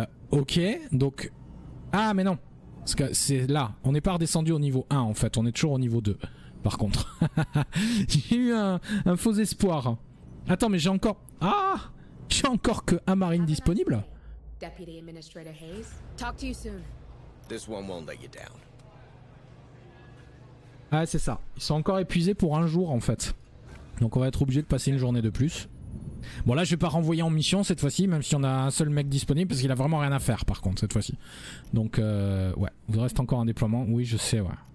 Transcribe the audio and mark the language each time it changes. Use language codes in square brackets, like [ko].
[fr] Ok, donc... Ah mais non, parce que c'est là, on n'est pas redescendu au niveau 1 en fait, on est toujours au niveau 2. Par contre, j'ai eu un faux espoir. Attends, mais j'ai encore... Ah ! J'ai encore que un marine disponible. [en] Deputy Administrator Hayes, talk to you soon. This one won't let you down. [fr] Ah, c'est ça. Ils sont encore épuisés pour un jour, en fait. Donc on va être obligé de passer une journée de plus. Bon, là, je vais pas renvoyer en mission cette fois-ci, même si on a un seul mec disponible, parce qu'il a vraiment rien à faire, par contre, cette fois-ci. Donc, ouais. Il vous reste encore un déploiement. Oui, je sais, ouais.